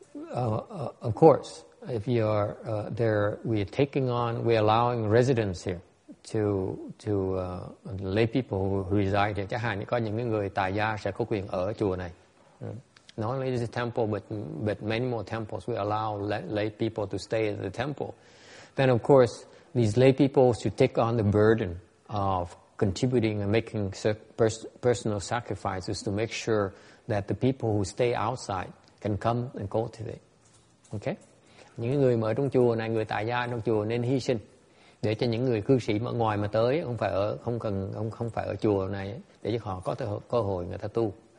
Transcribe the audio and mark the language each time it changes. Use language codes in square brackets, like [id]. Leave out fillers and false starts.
[en] Of course, if you are there, we're allowing residents here to lay people who reside here. [vi] Chẳng hạn có những người tài gia sẽ có quyền ở chùa này. [en] Not only is it a temple, but many more temples. We allow lay people to stay in the temple. Then, of course, these lay people should take on the burden of contributing and making personal sacrifices to make sure that the people who stay outside can come and cultivate. Okay? [vi] Những người mà ở trong chùa này, người tại gia trong chùa nên hy sinh để cho những người cư sĩ mà ngoài mà tới, không phải ở chùa này, để cho họ có cơ hội người ta tu.